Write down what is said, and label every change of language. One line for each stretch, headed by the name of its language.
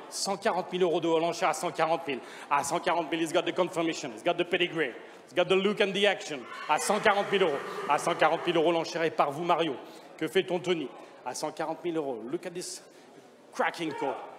French: 140 000 euros dehors, l'enchère à 140 000. À 140 000,
English: he's got the confirmation. He's got the pedigree. He's got the look and the action.
French: À 140 000 euros. À 140 000 euros, l'enchère est par vous, Mario. Que fait ton Tony? À 140 000 euros.
English: Look at this cracking call.